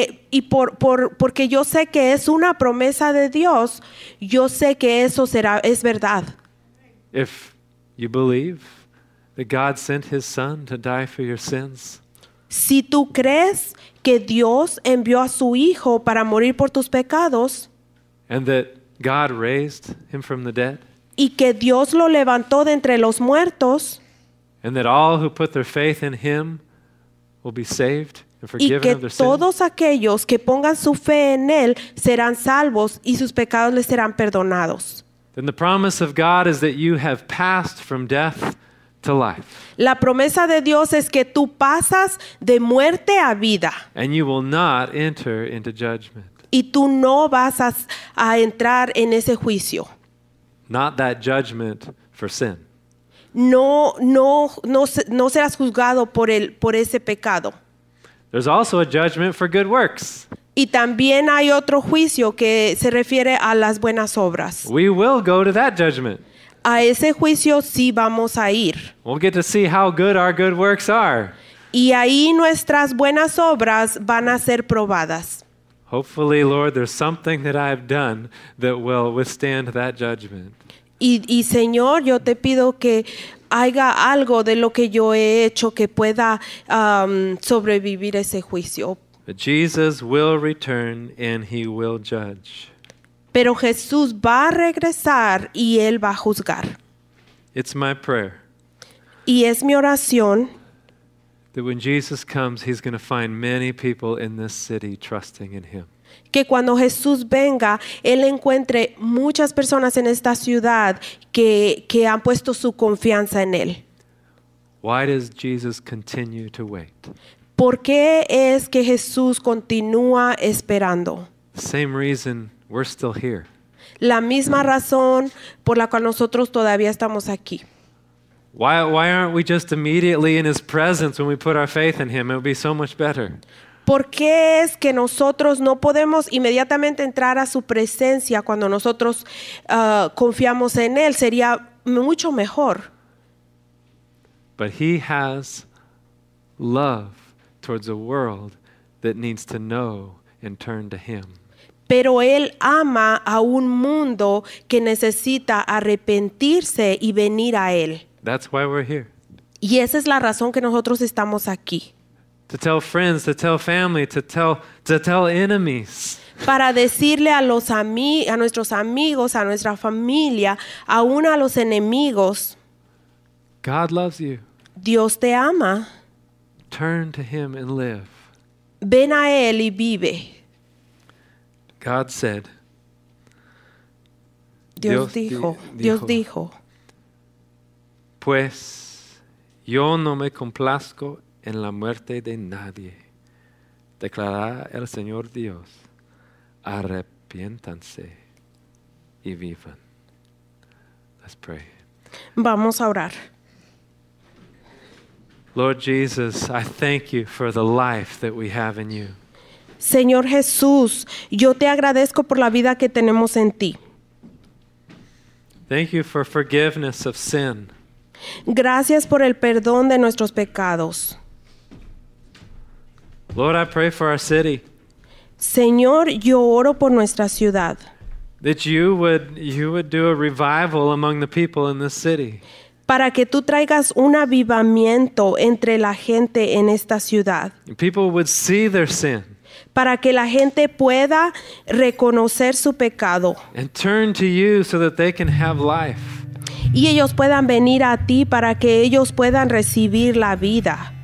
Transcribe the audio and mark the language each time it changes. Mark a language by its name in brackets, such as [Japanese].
[Spanish] Y porque yo sé que es una promesa de Dios, yo sé que eso será, es verdad. [English] If you believe that God sent his son to die for your sins, [Spanish] si tú crees que Dios envió a su Hijo para morir por tus pecados, [English] and that God raised him from the dead, [Spanish] y que Dios lo levantó de entre los muertos, [English] and that all who put their faith in him will be saved and forgiven of their sins, [Spanish] y que todos aquellos que pongan su fe en él serán salvos y sus pecados les serán perdonados. [English] Then the promise of God is that you have passed from death to life. [Spanish] La promesa de Dios es que tú pasas de muerte a vida. [English] And you will not enter into judgment. [Spanish] Y tú no vas a entrar en ese juicio. [English] Not that judgment for sin. [Spanish] No serás juzgado por ese pecado. [English] There's also a judgment for good works. [Spanish] Y también hay otro juicio que se refiere a las buenas obras. [English] We will go to that judgment. [Spanish] A ese juicio sí vamos a ir. [English] We'll get to see how good our good works are. [Spanish] Y ahí nuestras buenas obras van a ser probadas. [English] Hopefully, Lord, there's something that I've done that will withstand that judgment. [Spanish] Y Señor, yo te pido que haya algo de lo que yo he hecho que pueda sobrevivir ese juicio. [English] But Jesus will return and he will judge. [Spanish] Pero Jesús va a regresar y él va a juzgar. [English] It's my prayer. [Spanish] Y es mi oración. [English] That when Jesus comes, he's going to find many people in this city trusting in him. [Spanish] Que cuando Jesús venga, él encuentre muchas personas en esta ciudad que han puesto su confianza en él. [English] Why does Jesus continue to wait? [Spanish] ¿Por qué es que Jesús continúa esperando? [English] Same reason we're still here. [Spanish] La misma razón por la cual nosotros todavía estamos aquí. [English] Why aren't we just immediately in his presence when we put our faith in him? It would be so much better. [Spanish] ¿Por qué es que nosotros no podemos inmediatamente entrar a su presencia cuando nosotros confiamos en él? Sería mucho mejor. [English] But he has love towards a world that needs to know and turn to him. [Spanish] Pero él ama a un mundo que necesita arrepentirse y venir a él. [English] That's why we're here. [Spanish] Y esa es la razón que nosotros estamos aquí. [English] To tell friends, to tell family, to tell enemies. [Spanish] Para decirle a los a nuestros amigos, a nuestra familia, aún a los enemigos. [English] God loves you. [Spanish] Dios te ama. [English] Turn to him and live. [Spanish] Ven a él y vive. [English] God said. [Spanish] Dios dijo. Pues yo no me complazco en la muerte de nadie, declara el Señor Dios. Arrepiéntanse y vivan. [English] Let's pray. [Spanish] Vamos a orar. [English] Lord Jesus, I thank you for the life that we have in you. [Spanish] Señor Jesús, yo te agradezco por la vida que tenemos en ti. [English] Thank you for forgiveness of sin. [Spanish] Gracias por el perdón de nuestros pecados. [English] Lord, I pray for our city. [Spanish] Señor, yo oro por nuestra ciudad. [English] That you would do a revival among the people in this city. [Spanish] Para que tú traigas un avivamiento entre la gente en esta ciudad. [English] People would see their sin. [Spanish] Para que la gente pueda reconocer su pecado. [English] And turn to you so that they can have life. [Spanish] Y ellos puedan venir a ti para que ellos puedan recibir la vida.